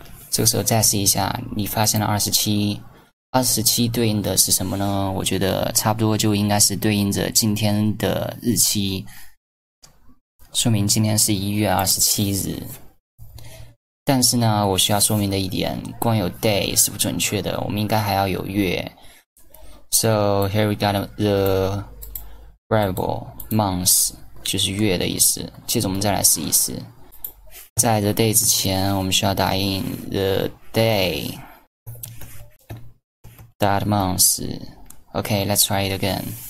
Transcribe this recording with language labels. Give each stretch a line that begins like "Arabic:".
Chinese: 这个时候再试一下，你发现了27。27对应的是什么呢？我觉得差不多就应该是对应着今天的日期，说明今天是1月27日。但是呢，我需要说明的一点，光有 day 是不准确的，我们应该还要有月。
English: So here we got the variable month，
Chinese: 就是月的意思。接着我们再来试一试，在 the day 之前，我们需要打印 the day。
English: That month, okay, let's try it again.